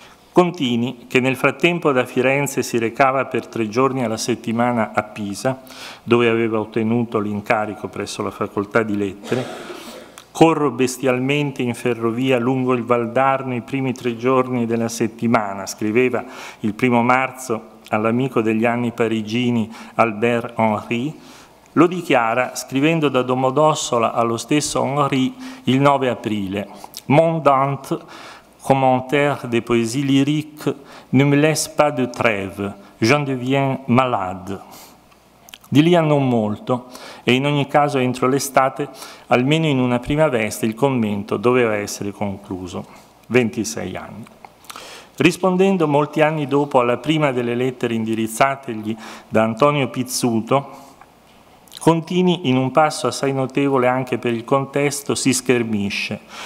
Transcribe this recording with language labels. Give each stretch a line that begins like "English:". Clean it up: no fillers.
Italian: Contini, che nel frattempo da Firenze si recava per 3 giorni alla settimana a Pisa, dove aveva ottenuto l'incarico presso la facoltà di lettere, «Corro bestialmente in ferrovia lungo il Valdarno i primi 3 giorni della settimana», scriveva il 1 marzo all'amico degli anni parigini Albert Henri, lo dichiara scrivendo da Domodossola allo stesso Henri il 9 aprile.
French: «Mon Dante, commentaire des poésies lyriques, ne me laisse pas de trêve, j'en deviens malade».
Italian: Di lì a non molto, e in ogni caso entro l'estate, almeno in una prima veste, il commento doveva essere concluso. 26 anni. Rispondendo molti anni dopo alla prima delle lettere indirizzategli da Antonio Pizzuto, Contini, in un passo assai notevole anche per il contesto, si schermisce.